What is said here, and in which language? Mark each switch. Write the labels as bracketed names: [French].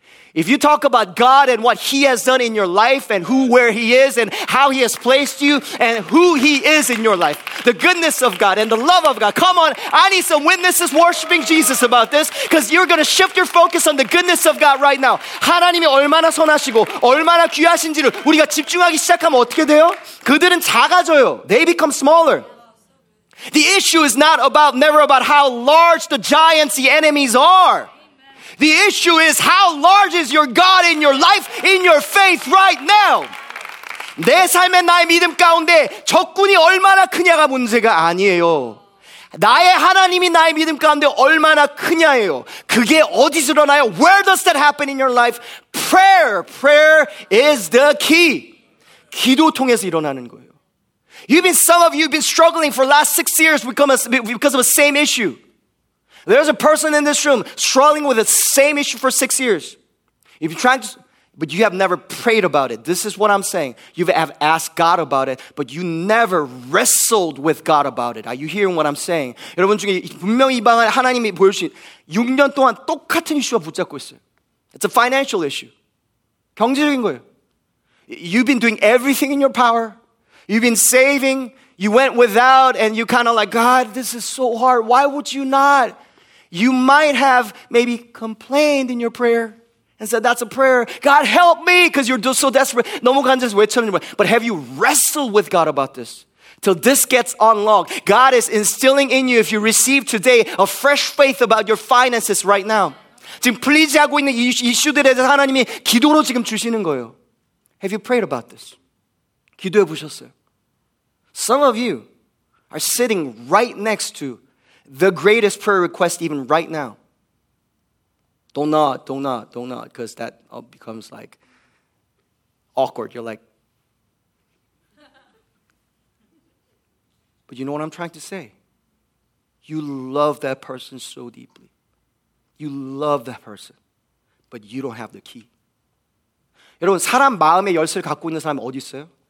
[English] If you talk about God and what he has done in your life and who, where he is and how he has placed you and who he is in your life, the goodness of God and the love of God, come on, I need some witnesses worshiping Jesus about this because you're going to shift your focus on the goodness of God right now. [Korean] 하나님이 얼마나 선하시고 얼마나 귀하신지를 우리가 집중하기 시작하면 어떻게 돼요? 그들은 작아져요. [English] They become smaller. The issue is not about, never about how large the giants, the enemies are. The issue is how large is your God in your life, in your faith right now. [Korean] 내 삶의 나의 믿음 가운데 적군이 얼마나 크냐가 문제가 아니에요. 나의 하나님이 나의 믿음 가운데 얼마나 크냐예요. 그게 어디서 일어나요? [English] Where does that happen in your life? Prayer is the key. [Korean] 기도 통해서 일어나는 거예요. [English] Some of you have been struggling for the last 6 years because of the same issue. There's a person in this room struggling with the same issue for 6 years. If you're trying to, but you have never prayed about it. This is what I'm saying. You have asked God about it, but you never wrestled with God about it. Are you hearing what I'm saying? [Korean] 여러분 중에 분명히 이 방안에 하나님이 보여주신 6년 동안 똑같은 이슈와 붙잡고 있어요. [English] It's a financial issue. [Korean] 경제적인 거예요. [English] You've been doing everything in your power. You've been saving. You went without and you kind of like, God, this is so hard. Why would you not? You might have maybe complained in your prayer and said, that's a prayer. God, help me because you're so desperate. [Korean] 너무 간절해서 외쳤는데. [English] But have you wrestled with God about this? till this gets unlocked. God is instilling in you, if you receive today, a fresh faith about your finances right now. [Korean] 지금 플리즈하고 있는 이슈들에 대해서 하나님이 기도로 지금 주시는 거예요. [English] Have you prayed about this? [Korean] 기도해 보셨어요? [English] Some of you are sitting right next to the greatest prayer request even right now. Don't nod, because that becomes like awkward. You're like, but you know what I'm trying to say? You love that person so deeply. You love that person, but you don't have the key. [Korean] 여러분, 사람 마음의 열쇠를 갖고 있는 사람 어디 있어요?